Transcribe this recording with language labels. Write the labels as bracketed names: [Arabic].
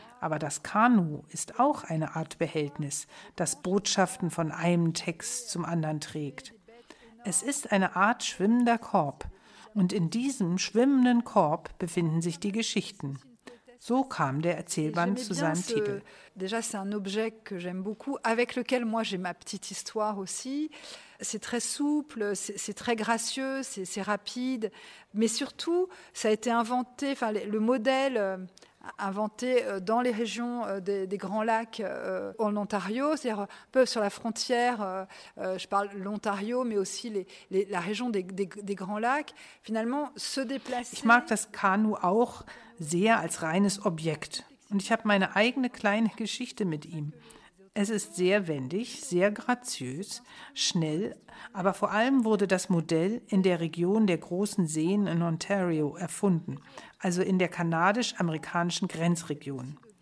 [German] Aber das Kanu ist auch eine Art Behältnis, das Botschaften von einem Text zum anderen trägt. Es ist eine Art schwimmender Korb. Und in diesem schwimmenden Korb befinden sich die Geschichten. So kam der Erzählband zu seinem Titel. [French] Déjà, c'est un objet que j'aime beaucoup, avec lequel moi j'ai ma petite histoire aussi. C'est très souple, c'est très gracieux, c'est rapide. Mais surtout, ça a été inventé, enfin, le modèle inventé dans les régions des Grands Lacs en Ontario, c'est-à-dire un peu sur la frontière, je parle l'Ontario, mais aussi la région des Grands Lacs, finalement se déplacer. [German] Ich mag das Kanu auch sehr als reines Objekt. Und ich habe meine eigene kleine Geschichte mit ihm. Es ist sehr wendig, sehr graziös, schnell, aber vor allem wurde das Modell in der Region der großen Seen in Ontario erfunden, also in der kanadisch-amerikanischen Grenzregion.